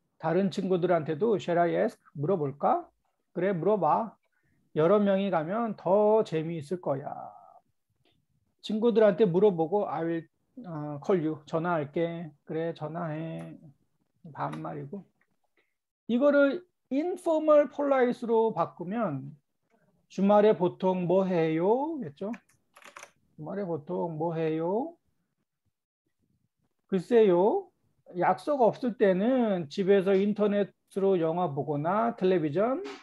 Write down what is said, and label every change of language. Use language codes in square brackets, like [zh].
[ko] 다른 친구들한테도 [en] shall I ask? [ko] 물어볼까? 그래 물어봐. 여러 명이 가면 더 재미있을 거야. 친구들한테 물어보고 [en] I will call you. [ko] 전화할게. 그래 전화해. 반말이고. 이거를 informal polite로 바꾸면 주말에 보통 뭐 해요? 했죠? 주말에 보통 뭐 해요? 글쎄요. 약속 없을 때는 집에서 인터넷으로 영화 보거나 텔레비전